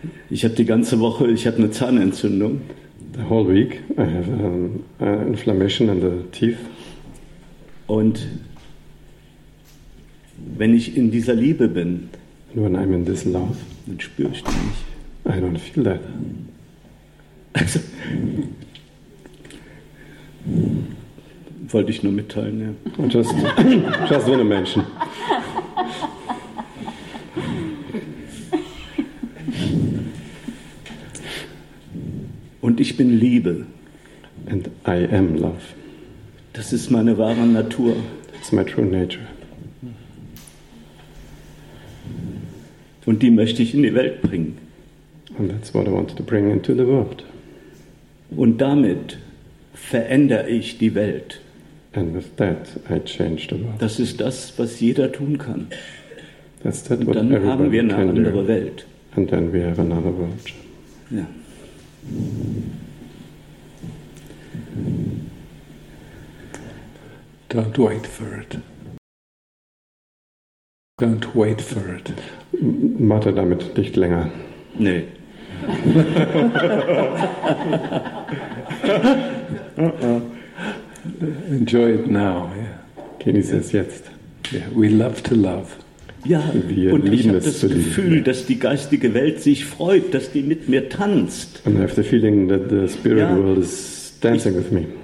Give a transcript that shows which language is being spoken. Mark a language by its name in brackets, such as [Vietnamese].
[German] Ich habe die ganze Woche, ich habe eine Zahnentzündung. [English] The whole week I have inflammation in the teeth. [German] Und wenn ich in dieser Liebe bin, [English] and when I'm in this love, [German] dann spüre ich die nicht. [English] I don't feel that. [German] Also, wollte ich nur mitteilen, ja. [English] Just want to mention. [German] Und ich bin Liebe. [English] And I am love. [German] Das ist meine wahre Natur. [English] That's my true nature. [German] Und die möchte ich in die Welt bringen. [English] And that's what I wanted to bring into the world. [German] Und damit verändere ich die Welt. [English] And with that I change the world. [German] Das ist das, was jeder tun kann. [English] That's that. [German] Und dann [English] what [German] haben wir eine andere Welt. [English] And then we have another world. [German] Ja. [English] Don't wait for it. Don't wait for it. [German] Warte damit nicht länger. Nee. [English] Enjoy it now, yeah. [German] Genieß es jetzt. [English] Yeah, we love to love. [German] Ja, wir und ich habe das Gefühl, dass die geistige Welt sich freut, dass die mit mir tanzt. [English] And I have the feeling that the spirit world is dancing with me.